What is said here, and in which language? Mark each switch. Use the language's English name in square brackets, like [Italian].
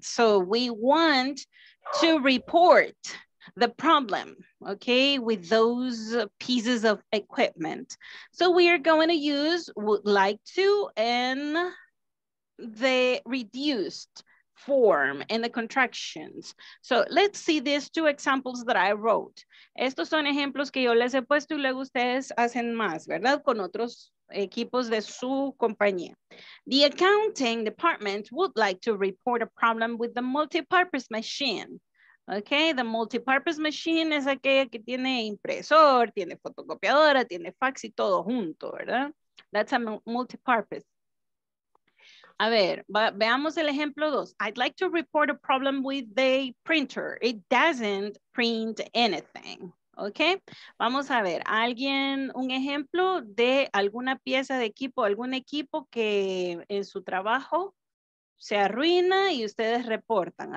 [English] So we want to report the problem, okay, with those pieces of equipment. So we are going to use would like to and the reduced form and the contractions. So let's see these two examples that I wrote. [Spanish] Estos son ejemplos que yo les he puesto y luego ustedes hacen más, ¿verdad? Con otros equipos de su compañía. [English] The accounting department would like to report a problem with the multipurpose machine. [Spanish] Okay, [English] the multipurpose machine [Spanish] es aquella que tiene impresor, tiene fotocopiadora, tiene fax y todo junto, ¿verdad? [English] That's a multipurpose. [Spanish] A ver, veamos el ejemplo 2. [English] I'd like to report a problem with the printer. It doesn't print anything. [Spanish] Okay, vamos a ver, alguien, un ejemplo de alguna pieza de equipo, algún equipo que en su trabajo se arruina y ustedes reportan.